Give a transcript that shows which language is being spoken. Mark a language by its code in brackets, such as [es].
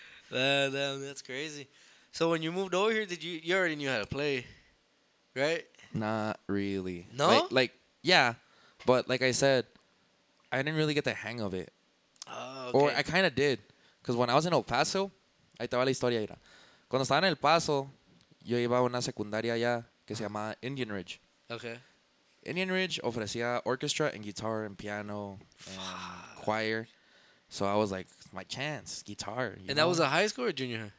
[en] Damn, that's crazy. So when you moved over here, did you already knew how to play, right? Not really. No. Like yeah, but like I said, I didn't really get the hang of it. Oh. Okay. Or I kind of did. Because when I was in El Paso, [es] ahí estaba la historia. Era. Cuando estaba en El Paso, yo iba a una secundaria allá que se llamaba Indian Ridge. [en] Okay. Indian Ridge [es] ofrecía [en] orchestra and guitar and piano and choir. So I was like, my chance, guitar. And know? That was a high school or junior high?